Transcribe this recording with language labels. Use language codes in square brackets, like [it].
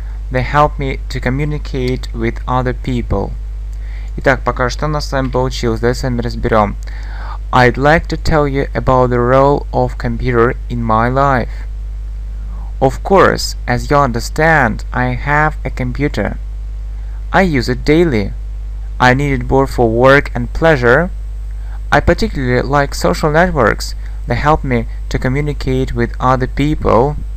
[en] They help me to communicate with other people. [ru] Итак, пока что у нас с вами получилось, давай с вами разберем. [en] I'd like to tell you about the role of computer in my life. Of course, as you understand, I have a computer. I use it daily. I need it both for work and pleasure. I particularly like social networks. They help me to communicate with other people.